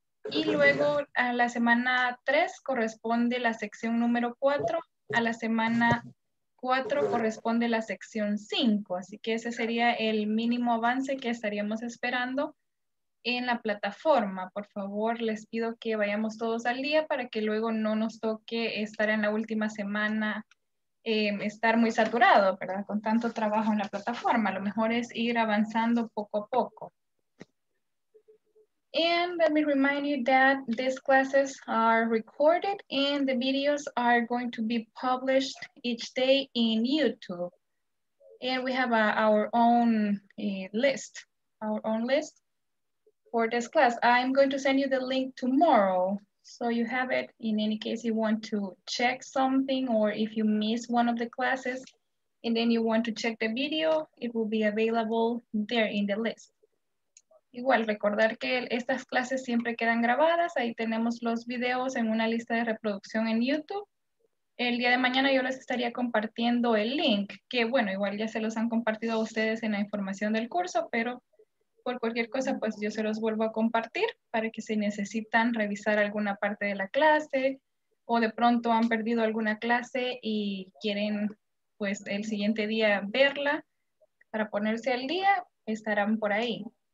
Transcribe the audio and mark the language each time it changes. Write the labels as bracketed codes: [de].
[es] Y luego a la semana 3 corresponde la sección número 4, a la semana 4 corresponde la sección 5, así que ese sería el mínimo avance que estaríamos esperando en la plataforma. Por favor, les pido que vayamos todos al día para que luego no nos toque estar en la última semana, estar muy saturado, ¿verdad? Con tanto trabajo en la plataforma. Lo mejor es ir avanzando poco a poco. [en] And let me remind you that these classes are recorded and the videos are going to be published each day in YouTube. And we have our own list for this class. I'm going to send you the link tomorrow. So you have it in any case you want to check something or if you miss one of the classes and then you want to check the video, it will be available there in the list. [es] Igual, recordar que estas clases siempre quedan grabadas. Ahí tenemos los videos en una lista de reproducción en YouTube. El día de mañana yo les estaría compartiendo el link, que bueno, igual ya se los han compartido a ustedes en la información del curso, pero por cualquier cosa, pues yo se los vuelvo a compartir para que si necesitan revisar alguna parte de la clase o de pronto han perdido alguna clase y quieren pues el siguiente día verla para ponerse al día, estarán por ahí.